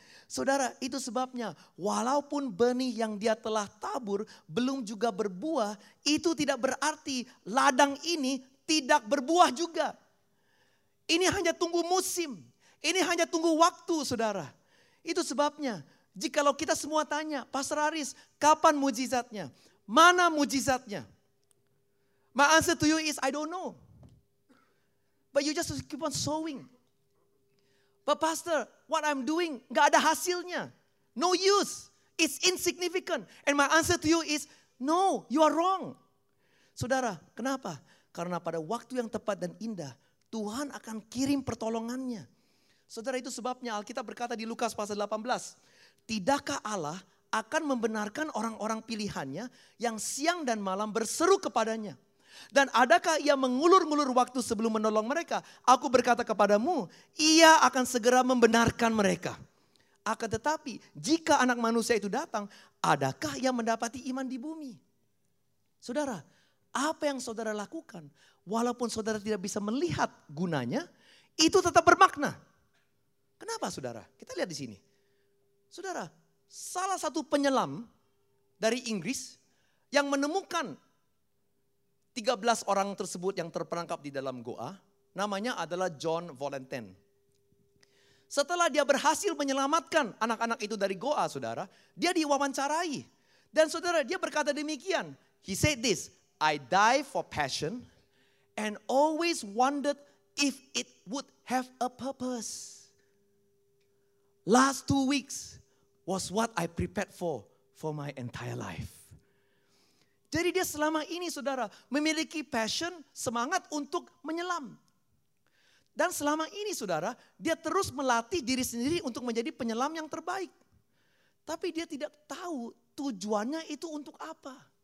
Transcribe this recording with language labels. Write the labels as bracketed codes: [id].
[id] Saudara, itu sebabnya walaupun benih yang dia telah tabur belum juga berbuah, itu tidak berarti ladang ini tidak berbuah juga. Ini hanya tunggu musim, ini hanya tunggu waktu, saudara. Itu sebabnya, jikalau kita semua tanya, Pastor Aris, kapan mujizatnya? Mana mujizatnya? [en] My answer to you is, I don't know. But you just keep on sowing. But Pastor, what I'm doing, [id] gak ada hasilnya. [en] No use. It's insignificant. And my answer to you is, no, you are wrong. [id] Saudara, kenapa? Karena pada waktu yang tepat dan indah, Tuhan akan kirim pertolongannya. Saudara, itu sebabnya Alkitab berkata di Lukas pasal 18, tidakkah Allah akan membenarkan orang-orang pilihannya yang siang dan malam berseru kepadanya? Dan adakah ia mengulur-ngulur waktu sebelum menolong mereka? Aku berkata kepadamu, ia akan segera membenarkan mereka. Akan tetapi, jika anak manusia itu datang, adakah ia mendapati iman di bumi? Saudara, apa yang saudara lakukan, walaupun saudara tidak bisa melihat gunanya, itu tetap bermakna. Kenapa, saudara? Kita lihat di sini. Saudara, salah satu penyelam dari Inggris yang menemukan 13 orang tersebut yang terperangkap di dalam goa, namanya adalah John Volenten. Setelah dia berhasil menyelamatkan anak-anak itu dari goa, saudara, dia diwawancarai. Dan saudara, dia berkata demikian, [en] he said this, I die for passion and always wondered if it would have a purpose. Last 2 weeks was what I prepared for my entire life. [id] Jadi dia selama ini, saudara, memiliki passion, semangat untuk menyelam. Dan selama ini, saudara, dia terus melatih diri sendiri untuk menjadi penyelam yang terbaik. Tapi dia tidak tahu tujuannya itu untuk apa.